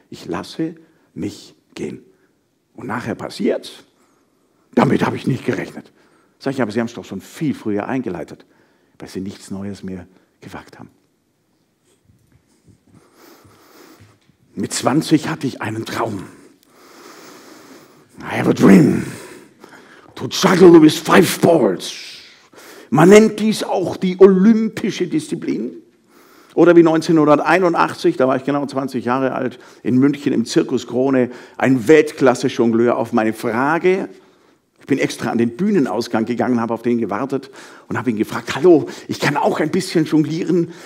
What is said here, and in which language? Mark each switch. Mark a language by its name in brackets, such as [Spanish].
[German] Ich lasse mich gehen. Und nachher passiert's, damit habe ich nicht gerechnet. Sag ich, aber Sie haben es doch schon viel früher eingeleitet, weil Sie nichts Neues mehr gewagt haben. Mit 20 hatte ich einen Traum. [English] I have a dream to juggle with five balls. [German] Man nennt dies auch die olympische Disziplin. Oder wie 1981, da war ich genau 20 Jahre alt, in München im Zirkus Krone, ein Weltklasse-Jongleur auf meine Frage. Ich bin extra an den Bühnenausgang gegangen, habe auf den gewartet und habe ihn gefragt, hallo, ich kann auch ein bisschen jonglieren.